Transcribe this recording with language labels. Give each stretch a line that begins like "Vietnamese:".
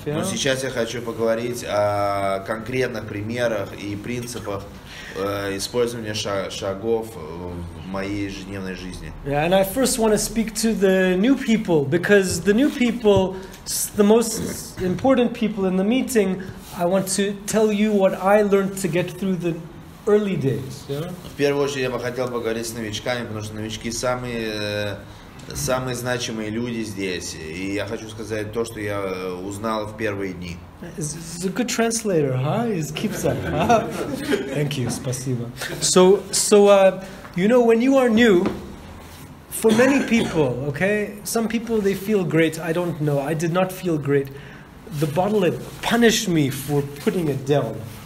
Russian: Но сейчас я хочу поговорить о конкретных примерах и принципах использования шагов в моей ежедневной жизни.
English: Yeah, and I first want to speak to the new people, because the new people, the most important people in the meeting, I want to tell you what I learned to get through the early days.
Russian: В первую очередь я бы хотел поговорить с новичками, потому что новички самые значимые люди здесь, и я хочу сказать то, что я узнал в первые дни.
English: He's a good translator, huh? He keeps up. Thank you,
Russian: спасибо.
English: So, you know, when you are new, for many people, okay, some people they feel great. I don't know. I did not feel great. The bottle it punished me for putting it down.